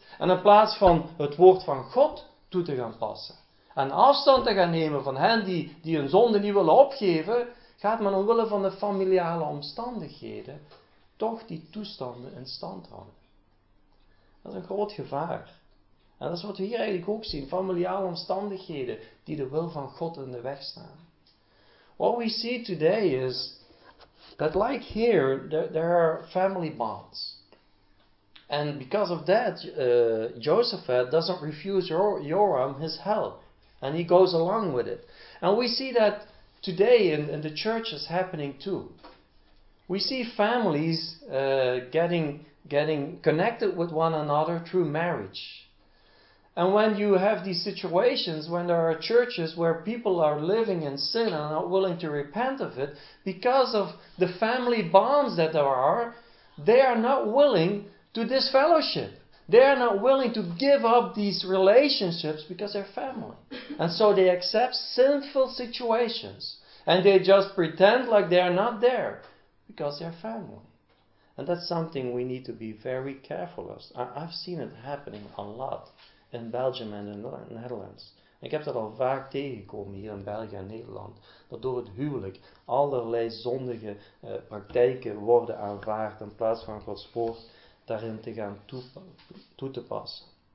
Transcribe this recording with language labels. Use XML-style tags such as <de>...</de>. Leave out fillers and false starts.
<nl>En in plaats van het woord van God toe te gaan passen en afstand te gaan nemen van hen die hun zonde niet willen opgeven, gaat men omwille van de familiale omstandigheden toch die toestanden in stand houden. Dat is een groot gevaar. En dat is wat we hier eigenlijk ook zien, familiale omstandigheden die de wil van God in de weg staan.</nl> <en>What we see today is that, like here, there are family bonds. And because of that, Josaphat doesn't refuse Joram his help. And he goes along with it. And we see that today in the church is happening too. We see families getting connected with one another through marriage. And when you have these situations, when there are churches where people are living in sin and not willing to repent of it, because of the family bonds that there are, they are not willing to disfellowship. They are not willing to give up these relationships because they're family. And so they accept sinful situations. And they just pretend like they are not there because they're family. And that's something we need to be very careful of. I've seen it happening a lot in Belgium</en> <nl>en in de</nl> <en>Netherlands.</en> <nl>Ik heb dat al vaak tegengekomen hier in België en Nederland. Dat door het huwelijk allerlei zondige praktijken worden aanvaard in plaats van Gods woord daarin te gaan toe te passen.</nl>